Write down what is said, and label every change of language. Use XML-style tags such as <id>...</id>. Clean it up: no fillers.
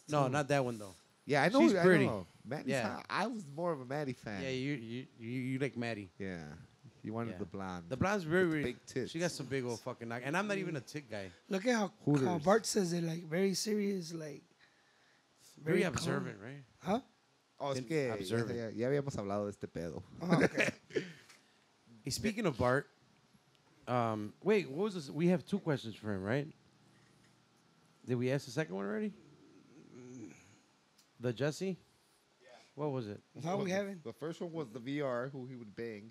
<en>Too. No, not that one, though. Yeah, I know. She's pretty. Maddie's hot. I was more of a Maddie fan. Yeah, you like Maddie. Yeah. You wanted the blonde. The blonde's very, very big tits. She got some big old fucking knock. And I'm not even a tit guy. Look at how Bart says it, like, very serious, like. Very observant, calm. Right? Huh?</en> <es>Oh, es que ya habíamos hablado de este pedo.</es> <en>Oh, okay. Hey, speaking of Bart, wait, what was this? We have two questions for him, right? Did we ask the second one already? The Jesse? Yeah. What was it? No, we haven't. The first one was the VR, who he would bang.</en>